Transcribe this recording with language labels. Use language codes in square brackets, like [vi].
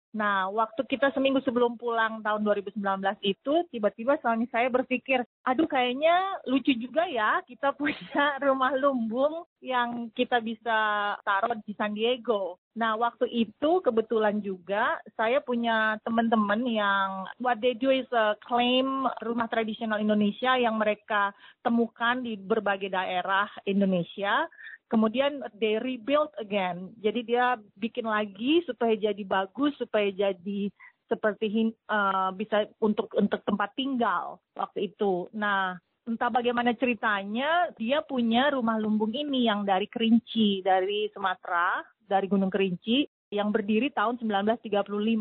[id] Nah, waktu kita seminggu sebelum pulang tahun 2019 itu, tiba-tiba suami saya berpikir, aduh kayaknya lucu juga ya, kita punya rumah lumbung yang kita bisa taruh di San Diego. Nah, waktu itu kebetulan juga saya punya teman-teman yang [en] what they do is a claim [id] rumah tradisional Indonesia yang mereka temukan di berbagai daerah Indonesia. [en] Kemudian they rebuild again. [id] Jadi dia bikin lagi supaya jadi bagus, supaya jadi seperti bisa untuk tempat tinggal waktu itu. Nah, entah bagaimana ceritanya, dia punya rumah lumbung ini yang dari Kerinci, dari Sumatera, dari Gunung Kerinci, yang berdiri tahun 1935.